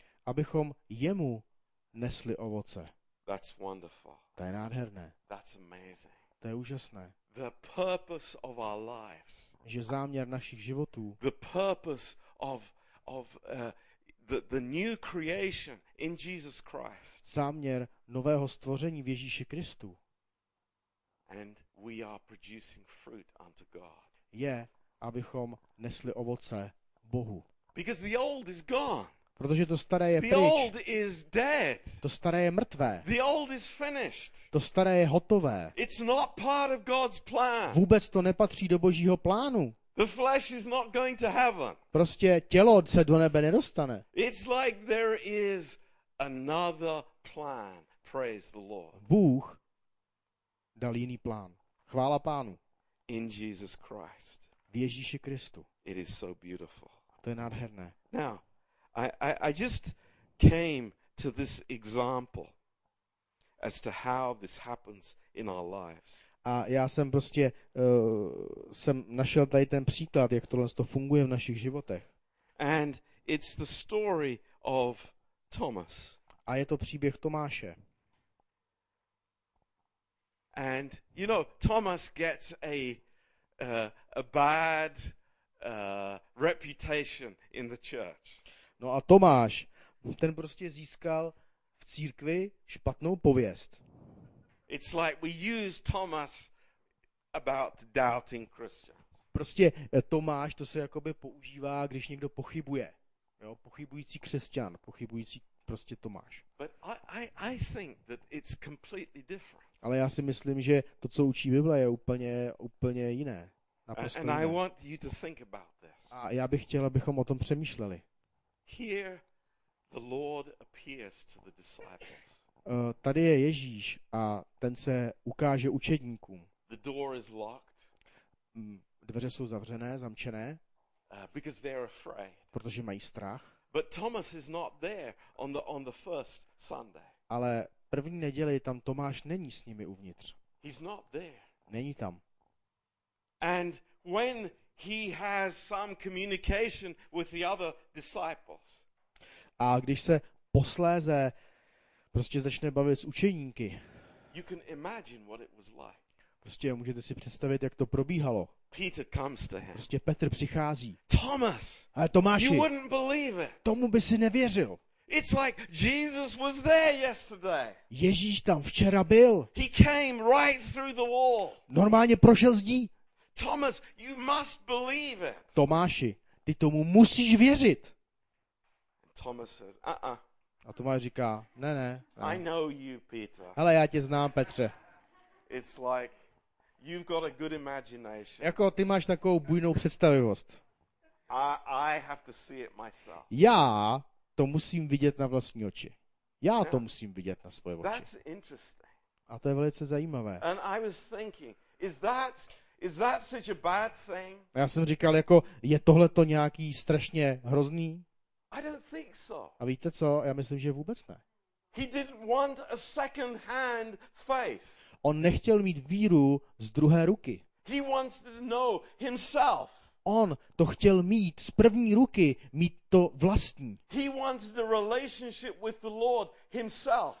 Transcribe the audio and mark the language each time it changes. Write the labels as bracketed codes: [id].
[cs] Abychom jemu nesli ovoce. [en] That's wonderful. [cs] To je nádherné. [en] That's amazing. [cs] To je úžasné. [en] The purpose of our lives. [cs] Že záměr našich životů. [en] The purpose of the new creation in Jesus Christ. [cs] Záměr nového stvoření v Ježíši Kristu. [en] And we are producing fruit unto God. [cs] Je, abychom nesli ovoce Bohu. [en] Because the old is gone. [cs] Protože to staré je [en] the [cs] pryč. [en] Old is dead. [cs] To staré je mrtvé. [en] The old is finished. [cs] To staré je hotové. [en] It's not part of God's plan. [cs] Vůbec to nepatří do Božího plánu. [en] The flesh is not going to heaven. [cs] Prostě tělo se do nebe nedostane. [en] It's like there is another plan. Praise the Lord. [cs] Bůh dal jiný plán. Chvála Pánu. [en] In Jesus Christ. [cs] V Ježíši Kristu. [en] It is so beautiful. [cs] To je nádherné. [en] Now, I just came to this example as to how this happens in our lives. [cs] A já jsem prostě jsem našel tady ten příklad, jak tohle to funguje v našich životech. [en] And it's the story of Thomas. [cs] A je to příběh Tomáše. [en] And you know, Thomas gets a bad reputation in the church. [cs] No a Tomáš, ten prostě získal v církvi špatnou pověst. [en] It's like we use Thomas about doubting Christians. [cs] Prostě Tomáš, to se jakoby používá, když někdo pochybuje. Jo, pochybující křesťan, pochybující prostě Tomáš. [en] But I think that it's completely different. [cs] Ale já si myslím, že to, co učí Bible, je úplně jiné. Naprosto [en] and [cs] jiné. [en] I want you to think about this. [cs] A já bych chtěl, abychom o tom přemýšleli. [en] Here the Lord appears to the disciples. [cs] Tady je Ježíš a ten se ukáže učedníkům. [en] The door is locked. [cs] Dveře jsou zavřené, zamčené. [en] Because they are afraid. [cs] Protože mají strach. [en] But Thomas is not there on the first Sunday. [cs] Ale první neděli tam Tomáš není s nimi uvnitř. [en] He's not there. [cs] Není tam. [en] And when he has some communication with the other disciples. [cs] A když se posléze prostě začne bavit s učeníky. [en] You can imagine what it was like. [cs] Prostě můžete si představit, jak to probíhalo. [en] Peter comes to him. [cs] Prostě Petr přichází. [en] Thomas. [cs] Ale Tomáši. [en] You wouldn't believe it. [cs] Tomu by si nevěřil. [en] It's like Jesus was there yesterday. [cs] Ježíš tam včera byl. [en] He came right through the wall. [cs] Normálně prošel zdí. [en] Thomas, you must believe it. [cs] Tomáši, ty tomu musíš věřit. [en] Thomas says, [cs] A Tomáš říká, ne. [en] I know you, Peter. [cs] Hele, já tě znám, Petře. [en] It's like you've got a good imagination. [cs] Jako ty máš takovou bujnou představivost. [en] I have to see it myself. [cs] Já to musím vidět na vlastní oči. Já to musím vidět na svoje oči. [en] That's interesting. [cs] A to je velice zajímavé. [en] And I was thinking, is that such a bad thing? [cs] Já jsem říkal, jako je tohle to nějaký strašně hrozný? [en] I don't think so. [cs] A víte co? Já myslím, že vůbec ne. [en] He didn't want a second hand faith. [cs] On nechtěl mít víru z druhé ruky. [en] He wants to know himself. [cs] On to chtěl mít z první ruky, mít to vlastní. [en] He wants the relationship with the Lord himself.